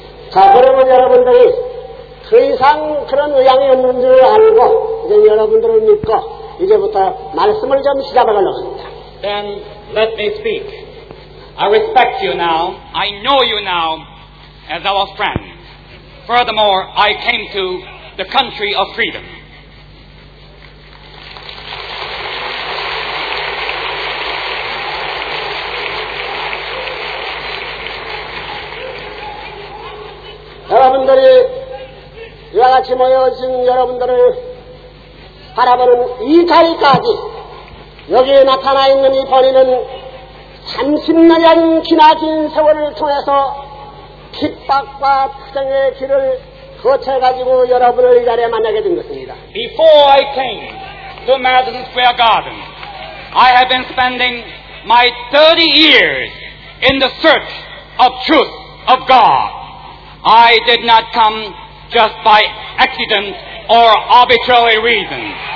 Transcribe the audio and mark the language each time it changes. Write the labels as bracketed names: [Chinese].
[Korean] 자, 그러면 여러분들이 그 이상 그런 의향이 없는 줄 알고 이제 여러분들을 믿고 이제부터 말씀을 좀 시작하려고 합니다. [English] Then let me speak. I respect you now. I know you now as our friend. Furthermore, I came to the country of freedom. [Korean] 여러분들이 이와 같이 모여진 여러분들을 바라보는 이 자리까지 여기에 나타나 있는 이 본인은 30년이란 기나긴 세월을 통해서 핍박과 투쟁의 길을 거쳐 가지고 여러분을 이 자리에 만나게 된 것입니다. [English] Before I came to Madison Square Garden, I have been spending my 30 years in the search of truth of God. I did not come just by accident or arbitrary reason.